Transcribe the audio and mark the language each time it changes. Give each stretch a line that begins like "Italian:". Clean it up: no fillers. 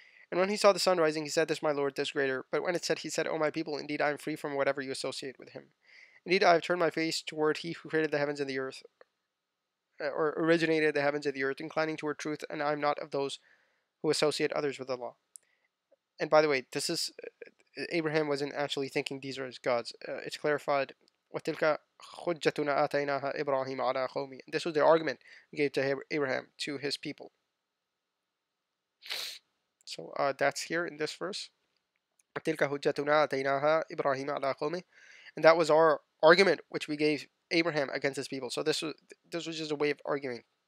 English: And when he saw the sun rising, he said, this is my Lord, this greater. But when it set, he said, O my people, indeed I am free from whatever you associate with him. Indeed, I have turned my face toward he who created the heavens and the earth, or originated the heavens and the earth, inclining toward truth, and I am not of those who associate others with Allah. And by the way, this is Abraham wasn't actually thinking these are his gods. It's clarified,
Arabic: وَتِلْكَ خُجَّتُنَا آتَيْنَاهَا إِبْرَاهِيمَ عَلَىٰ خَوْمِي.
English: This was the argument he gave to Abraham, to his people. So that's here in this verse.
Arabic: وَتِلْكَ خُجَّتُنَا آتَيْنَاهَا إِبْرَاهِيمَ عَلَىٰ خَوْمِي.
English: And that was our argument which we gave Abraham against his people. So this was just a way of arguing.